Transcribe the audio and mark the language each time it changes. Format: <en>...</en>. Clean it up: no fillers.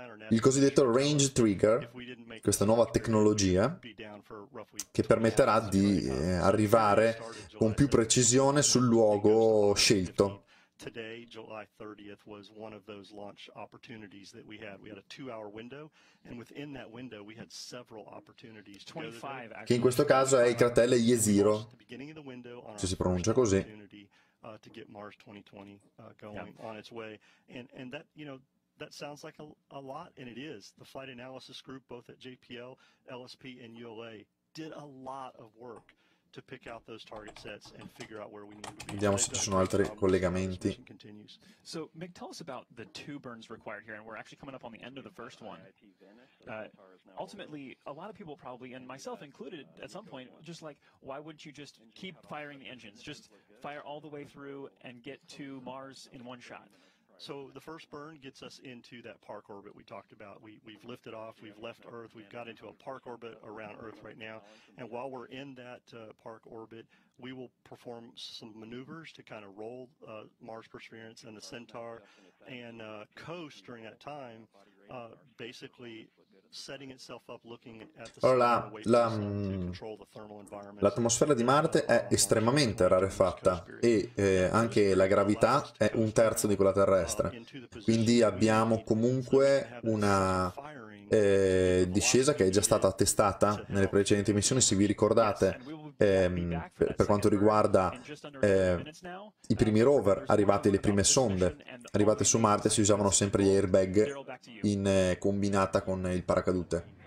<it>Il cosiddetto range trigger, questa nuova tecnologia che permetterà di arrivare con più precisione sul luogo scelto.</it> <en>Today, July 30th, was one of those launch opportunities that we had. We had a two-hour window, and within that window, we had several opportunities. 25,</en> <it>che in questo caso è il cratere Jezero, se si pronuncia così.</it> <en>To get Mars 2020 going on its way, and that, you know, that sounds like a lot, and it is. The flight analysis group, both at JPL, LSP, and ULA, did a lot of work to pick out those target sets and figure out where we need to be.</en> <it>Vediamo se ci sono altri collegamenti.</it> <en>So, Mick, tell us about the two burns required here, and we're actually coming up on the end of the first one. Ultimately, a lot of people probably, and myself included, at some point, just like, why wouldn't you just keep firing the engines? Just fire all the way through and get to Mars in one shot. So the first burn gets us into that park orbit we talked about. We've lifted off, we've left Earth, we've got into a park orbit around Earth right now. And while we're in that park orbit, we will perform some maneuvers to kind of roll Mars Perseverance and the Centaur and coast during that time, basically setting itself up looking at the control the thermal environment.</en> <it>L'atmosfera di Marte è estremamente rarefatta e anche la gravità è un terzo di quella terrestre. Quindi abbiamo comunque una discesa che è già stata attestata nelle precedenti missioni, se vi ricordate, per quanto riguarda i primi rover, arrivate le prime sonde, arrivate su Marte si usavano sempre gli airbag in combinata con il paracadute.</it>